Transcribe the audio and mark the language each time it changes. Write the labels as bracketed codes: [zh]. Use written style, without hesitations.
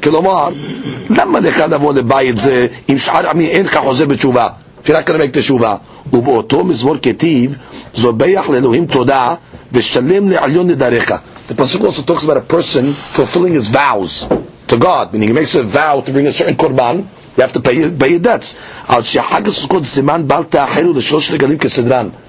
[he] כלומר, למה לך לבוא לבית זה עם שאר עמי אין לך חוזר בתשובה? אפשר רק לנמק תשובה. ובאותו מזמור כתיב, זובח לאלוהים תודה ושלם לעליון לדריך. [en] The pasuk also talks about a person fulfilling his vows to God, meaning he makes a vow to bring a certain korban, you have to pay your debts. [he] על שחג הסוכות סימן בל תאחר ולשלוש רגלים כסדרן.